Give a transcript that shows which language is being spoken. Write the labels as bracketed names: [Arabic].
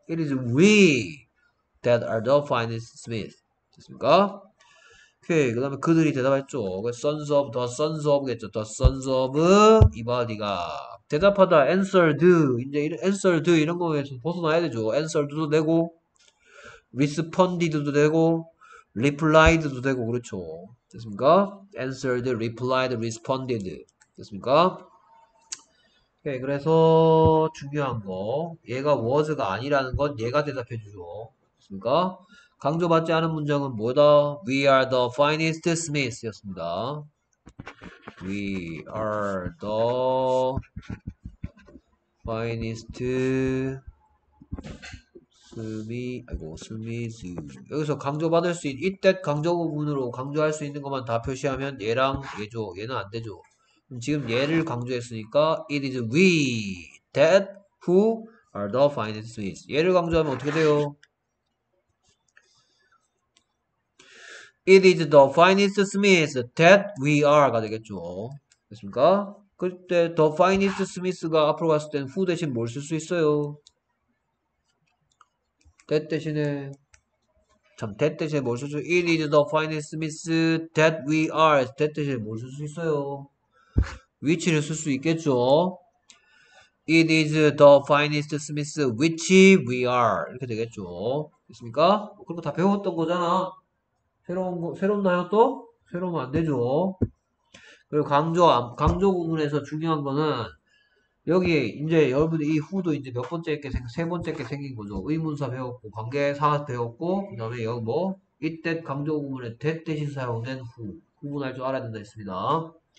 [English] It is we that are the finest Smith [Korean] 됐습니까? 오케이 그 다음에 그들이 대답했죠. [English] Sons of the sons of겠죠. The sons of [Korean] 이바디가 대답하다, [English] answered, 이제 answered, [Korean] 이런 거에서 벗어나야 되죠. answered도 되고, responded도 되고, replied도 되고, 그렇죠. 됐습니까? [English] answered, replied, responded. [Korean] 됐습니까? 오케이, 그래서 중요한 거, 얘가 was가 아니라는 건 얘가 대답해 주죠. 됐습니까? 강조받지 않은 문장은 뭐다? [English] We are the finest Smith였습니다. We are the finest Smith, [Korean] 아이고, [English] Smith. [Korean] 여기서 강조받을 수 있는, it that 강조구문으로 강조할 수 있는 것만 다 표시하면 얘랑 얘죠. 얘는 안 되죠. 그럼 지금 얘를 강조했으니까, [English] it is we that who are the finest Smith. [Korean] 얘를 강조하면 어떻게 돼요? [English] It is the finest Smith that we are [Korean] 가 되겠죠. 됐습니까? 그때 [English] the finest Smith [Korean] 가 앞으로 갔을 땐 who 대신 뭘쓸수 있어요? [English] that 대신에 참 that 대신에 뭘쓸수 It is the finest Smith that we are that [Korean] 대신에 뭘쓸수 있어요? which를 쓸수 있겠죠. [English] It is the finest Smith which we are [Korean] 이렇게 되겠죠. 됐습니까? 그리고 다 배웠던 거잖아. 새롭나요 또? 새로우면 안 되죠. 그리고 강조 구문에서 중요한 거는 여기에 이제 여러분 이 후도 이제 몇 번째 이렇게 세 번째 이렇게 생긴 거죠. 의문사 배웠고 관계사 배웠고 그다음에 여기 뭐 it that 강조 구문에 that 대신 사용된 후 구분할 줄 알아야 된다 했습니다.